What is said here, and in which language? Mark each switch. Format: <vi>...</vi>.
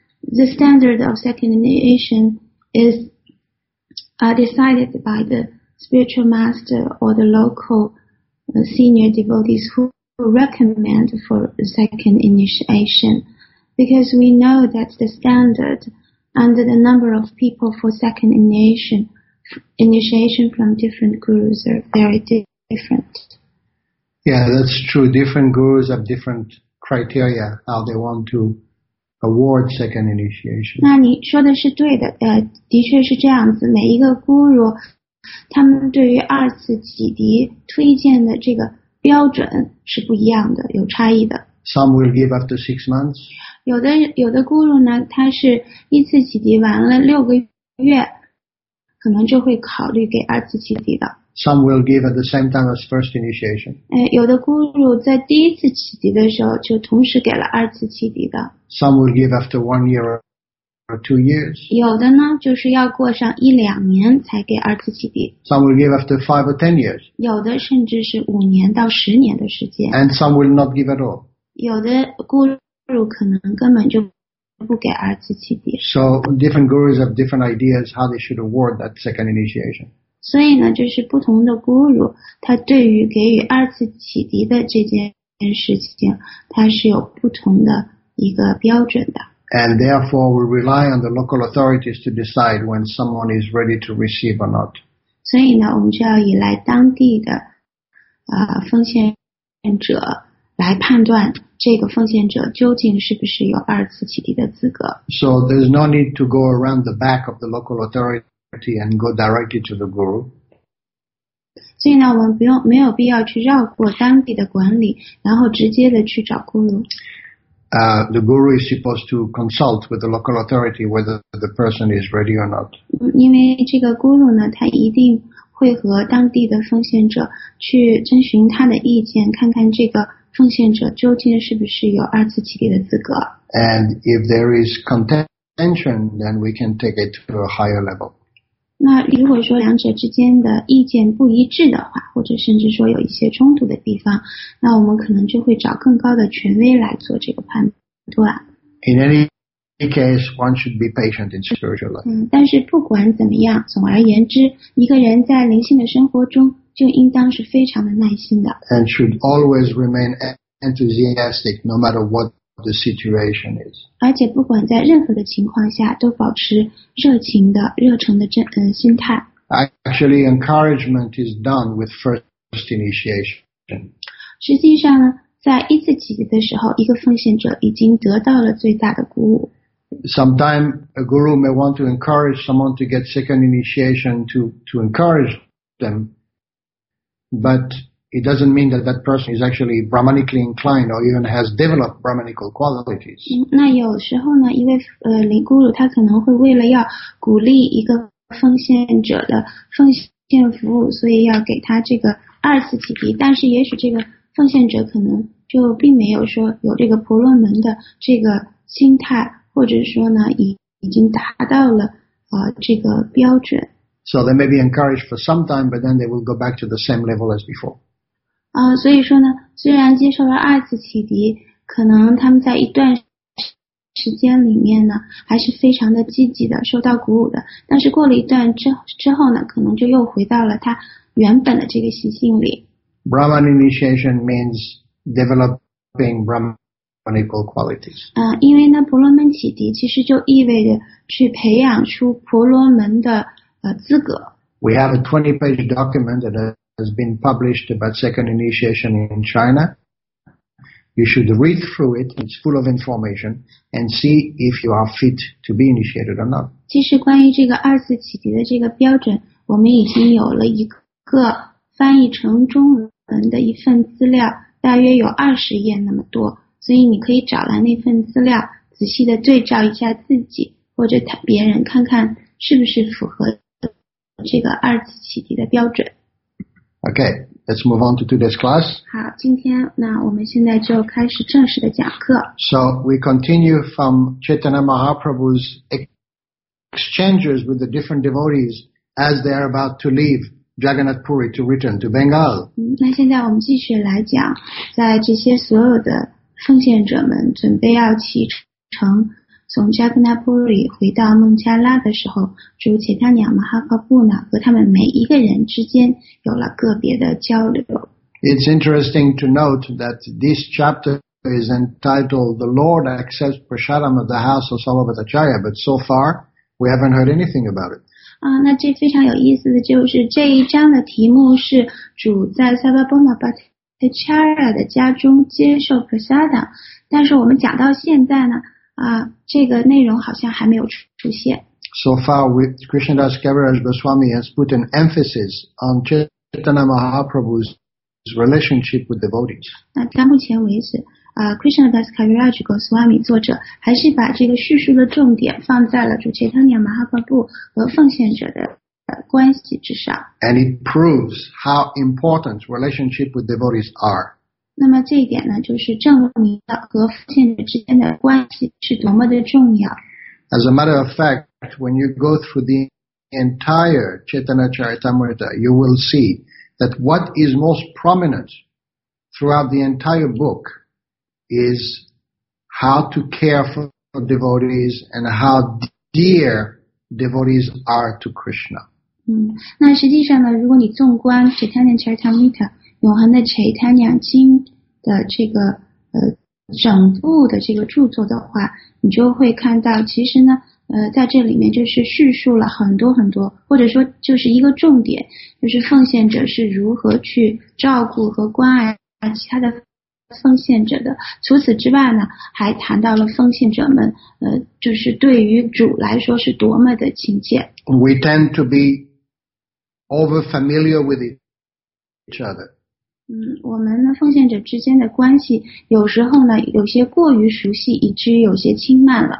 <en>The standard of second initiation is decided by the spiritual master or the local senior devotees who recommend for second initiation, because we know that the standard and the number of people for second initiation from different gurus are very different. Yeah, that's true. Different gurus have different criteria how they want to award second initiation.</en> <zh>那你说的是对的，的确是这样子。每一个 guru 他们对于二次启迪推荐的这个标准是不一样的，有差异的。</zh> <en>Some will give after 6 months.</en> <zh>有的 guru 呢，他是一次启迪完了6个月，可能就会考虑给二次启迪的。</zh> <en>Some will give at the same time as first initiation.</en> <zh>有的 guru 在第一次启迪的时候就同时给了二次启迪的。</zh> <en>Some will give after 1 year or 2 years.</en> <zh>有的呢，就是要过上一两年才给二次启迪。</zh> <en>Some will give after 5 or 10 years.</en> <zh>有的甚至是5年到10年的时间。</zh> <en>And some will not give at all.</en> <zh>有的 guru 可能根本就不给二次启迪。</zh> <en>So different gurus have different ideas how they should award that second initiation.</en> <zh>所以呢，就是不同的 guru 他对于给予二次启迪的这件事情，他是有不同的一个标准的。</zh> <en>And therefore, we rely on the local authorities to decide when someone is ready to receive or not.</en> <zh>所以呢，我们就要依赖当地的奉献者。来判断这个奉献者究竟是不是有二次启迪的资格。</zh> <en>So there's no need to go around the back of the local authority and go directly to the guru.</en> <zh>所以呢，我们没有必要去绕过当地的管理，然后直接的去找 guru。</zh> <en>The guru is supposed to consult with the local authority whether the person is ready or not.</en> <zh>因为这个 guru 呢，他一定会和当地的奉献者去征询他的意见，看看这个奉献者究竟是不是有二次启迪的资格。</zh> <en>And if there is contention, then we can take it to a higher level.</en> <zh>那如果说两者之间的意见不一致的话，或者甚至说有一些冲突的地方，那我们可能就会找更高的权威来做这个判断。</zh> <en>In any case, one should be patient in spiritual life.</en> <zh>但是不管怎么样，总而言之，一个人在灵性的生活中就应当是非常的耐心的。</zh> <en>And should always remain enthusiastic no matter what the situation is.</en> <zh>而且不管在任何的情况下都保持热诚的心态。</zh> <en>Actually, encouragement is done with first initiation.</en> <zh>实际上呢，在一次启迪的时候，一个奉献者已经得到了最大的鼓舞。</zh> <en>Sometimes a guru may want to encourage someone to get second initiation to encourage them. But it doesn't mean that that person is actually brahmanically inclined or even has developed brahmanical qualities.</en> <zh>那有时候呢，一位林姑鲁他可能会为了要鼓励一个奉献者的奉献服务，所以要给他这个二次启迪。但是也许这个奉献者可能就并没有说有这个婆罗门的这个心态，或者说呢，已经达到了这个标准。</zh> <en>So they may be encouraged for some time, but then they will go back to the same level as before.</en> <zh>所以说呢，虽然接受了二次启迪，可能他们在一段时间里面呢，还是非常的积极的，受到鼓舞的。但是过了一段之后呢，可能就又回到了他原本的这个习性里。</zh> <en>Brahman initiation means developing Brahmanical qualities.</en> <zh>因为呢，婆罗门启迪其实就意味着去培养出婆罗门的资格。</zh> <en>We have a 20-page document that has been published about second initiation in China. You should read through it. It's full of information and see if you are fit to be initiated or not.</en> <zh>其实关于这个二次启迪的这个标准，我们已经有了一个翻译成中文的一份资料，大约有20页那么多。所以你可以找来那份资料，仔细的对照一下自己或者别人，看看是不是符合这个二次启迪的标准。</zh> <en>Okay, let's move on to today's class.</en> <zh>好，今天那我们现在就开始正式的讲课。</zh> <en>So we continue from Chaitanya Mahaprabhu's exchanges with the different devotees as they are about to leave Jagannath Puri to return to Bengal.</en> <zh>那现在我们继续来讲，在这些所有的奉献者们准备要启程从 Jagannath Puri 回到孟加拉的时候，主且他娘马哈巴布呢和他们每一个人之间有了个别的交流。</zh> <en>It's interesting to note that this chapter is entitled The Lord Accepts Prasadam of the House of Salabhatacharya, but so far we haven't heard anything about it.</en> <zh>那这非常有意思的就是这一章的题目是主在萨巴波玛巴特恰拉的家中接受 Prasadam, 但是我们讲到现在呢这个内容好像还没有出现。</zh> <en>So far, with Krishnadas Kaviraj Goswami has put an emphasis on Chaitanya Mahaprabhu's relationship with devotees.</en> <zh>那到目前为止Krishnadas Kaviraj Goswami 作者还是把这个叙述的重点放在了主 Chaitanya Mahaprabhu 和奉献者的关系之上。</zh> <en>And it proves how important relationship with devotees are.</en> <zh>那么这一点呢，就是证明了和奉献者之间的关系是多么的重要。</zh> <en>As a matter of fact, when you go through the entire Chaitanya Charitamrita, you will see that what is most prominent throughout the entire book is how to care for devotees and how dear devotees are to Krishna.</en> <zh>那实际上呢，如果你纵观 Chaitanya Charitamrita, 永恒的 Chaitanya 经的这个整部的这个著作的话，你就会看到，其实呢，在这里面就是叙述了很多很多，或者说就是一个重点，就是奉献者是如何去照顾和关爱其他的奉献者的。除此之外呢，还谈到了奉献者们，就是对于主来说是多么的亲切。</zh> <en>We tend to be over familiar with each other.</en> <zh>我们呢奉献者之间的关系有时候呢有些过于熟悉，以至于有些轻慢了。</zh>